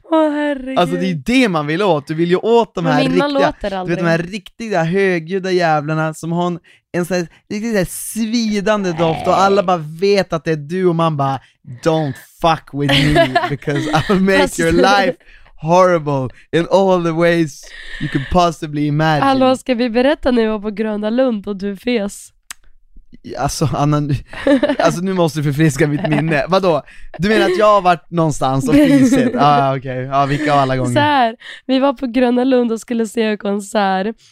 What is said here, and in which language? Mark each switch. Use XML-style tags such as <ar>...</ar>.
<sv>Åh, herregud. Alltså det är det man vill åt. Du vill ju åt de här riktiga, låter du vet, de här riktiga högljudda jävlarna som har en sån här svidande doft och alla bara vet att det är du och man bara</sv> <en>don't fuck with me because I'll make your life horrible in all the ways you can possibly imagine.</en> <sv>Hallå, ska vi berätta nu på Gröna Lund och du fes? Alltså, Anna, alltså nu måste du förfriska mitt minne. Vadå? Du menar att jag har varit någonstans och fisit? Ah, okej. Okay. Ah, vilka alla gånger? Så här, vi var på Gröna Lund och skulle se en konsert.</sv>